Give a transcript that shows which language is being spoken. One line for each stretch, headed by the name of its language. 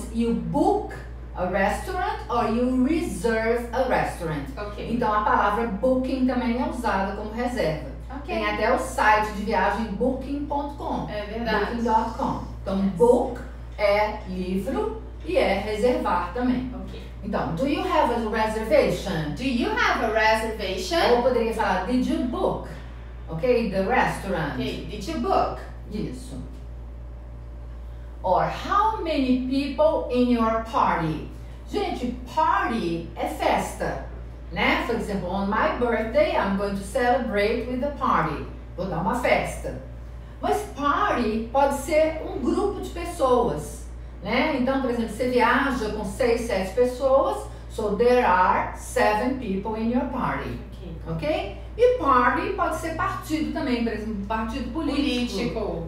English: You book a restaurant or you reserve a restaurant. Ok.
Portuguese: Então a palavra booking também é usada como reserva. Ok. Tem até o site de viagem booking.com. É verdade. Booking.com. Então yes. Book é livro e é reservar também. Ok.
English: Então, do you have a reservation? Do you have a reservation?
Portuguese: Ou poderia falar,
English: did you book? Ok, the restaurant. Okay. Did you book? Isso. Or, how many people in your party?
Portuguese: Gente, party é festa. Né?
English: For example, on my birthday, I'm going to celebrate with a party.
Portuguese: Vou dar uma festa. Mas party pode ser um grupo de pessoas. Né? Então, por exemplo, você viaja com 6, 7 pessoas,
English: so there are 7 people in your party, ok?
Portuguese: E party pode ser partido também, por exemplo, partido político.